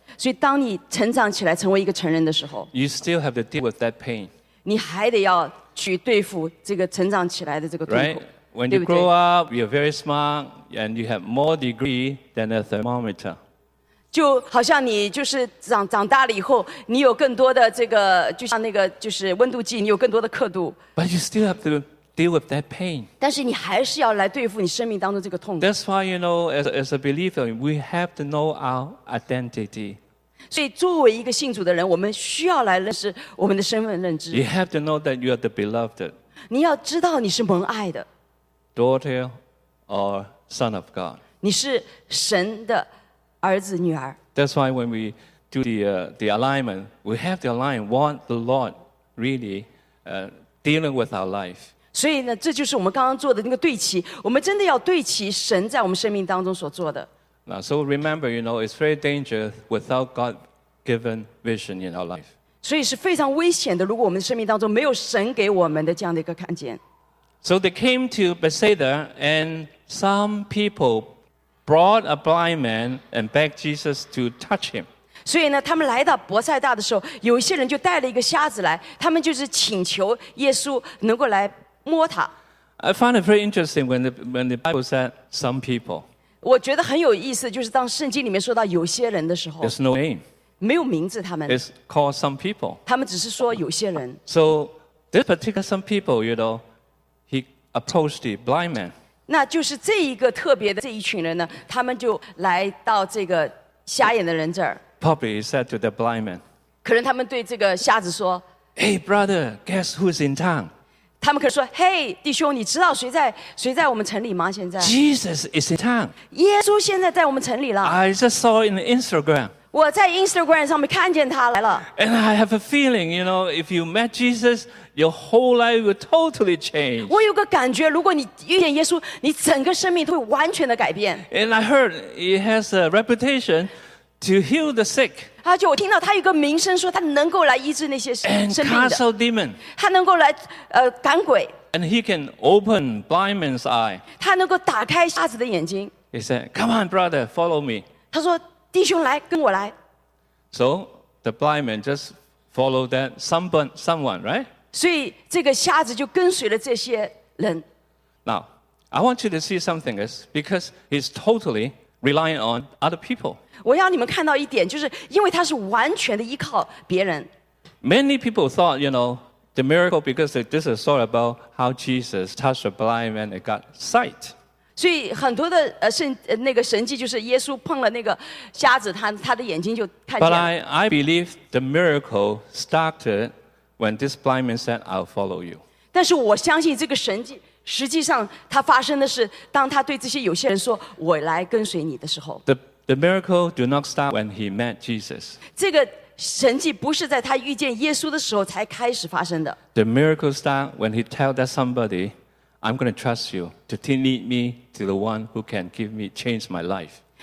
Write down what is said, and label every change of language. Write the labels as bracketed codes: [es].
[zh] 所以当你成长起来成为一个成人的时候， [en] you still have to deal with that pain. [zh] 你还得要去对付这个成长起来的这个痛苦。 [en] Right? When you grow up, you're very smart, and you have more degree than a thermometer. [zh] 就好像你就是长大了以后，你有更多的这个，就像那个就是温度计，你有更多的刻度。 [en] But you still have to deal with that pain. [zh] 但是你还是要来对付你生命当中这个痛苦。 [en] That's why, you know, as a believer, we have to know our identity. [zh] 所以作为一个信主的人，我们需要来认识我们的身份认知。 [en] You have to know that you are the beloved. [zh] 你要知道你是蒙爱的。 [en] Daughter or son of God. [zh] 你是神的儿子女儿。 [en] That's why when we do the alignment, we have to align what the Lord really dealing with our life. [zh] 所以呢，这就是我们刚刚做的那个对齐。我们真的要对齐神在我们生命当中所做的。 [en] Now, so remember, you know, it's very dangerous without God-given vision in our life. [zh] 所以是非常危险的，如果我们生命当中没有神给我们的这样的一个看见。 [en] So they came to Bethsaida, and some people brought a blind man and begged Jesus to touch him. [zh] 所以呢，他们来到伯赛大的时候，有一些人就带了一个瞎子来，他们就是请求耶稣能够来摸他。 [en] I find it very interesting when the Bible said some people. [zh] 我觉得很有意思，就是当圣经里面说到有些人的时候 [en] ，There's no name. [zh] 没有名字，他们。 [en] It's called some people. [zh] 他们只是说有些人。 [en] So this particular some people, you know. Approached the blind man. [zh] 那就是这一个特别的这一群人呢，他们就来到这个瞎眼的人这儿。 [en] Probably said to the blind man. [zh] 可能他们对这个瞎子说 [en] ，Hey brother, guess who's in town? [zh] 他们可能说 ，Hey 弟兄，你知道谁在我们城里吗？现在 [en] ？Jesus is in town. [zh] 耶稣现在在我们城里了。 [en] I just saw in Instagram. [zh] 我在 Instagram 上面看见他来了。 [en] And I have a feeling, you know, if you met Jesus. Your whole life will totally change. [zh] 我有个感觉，如果你遇见耶稣，你整个生命都会完全的改变。 [en] And I heard he has a reputation to heal the sick. [zh] 而且我听到他有个名声，说他能够来医治那些生病的。 [en] And cast out demon. [zh] 他能够来赶鬼。 [en] And he can open blind man's eye. [zh] 他能够打开瞎子的眼睛。 [en] He said, "Come on, brother, follow me." [zh] 他说，弟兄来，跟我来。 [en] So the blind man just followed that someone, right? [zh] 所以这个瞎子就跟随了这些人。 [en] Now, I want you to see something else because he's totally relying on other people. [zh] 我要你们看到一点，就是因为他是完全的依靠别人。 [en] Many people thought, you know, the miracle because this is all about how Jesus touched a blind man and got sight. [zh] 所以很多的神迹就是耶稣碰了那个瞎子，他的眼睛就看见。 [en] But I believe the miracle started when this blind man said, "I'll follow you." [zh] 但是我相信这个神迹，实际上它发生的是当他对这些有些人说，我来跟随你的时候。The [en] miracle do not start when he met Jesus. [zh] 这个神迹不是在他遇见耶稣的时候才开始发生的。The [en] miracle start when he tell that somebody, "I'm going to trust you to lead me to the one who can give me change my life."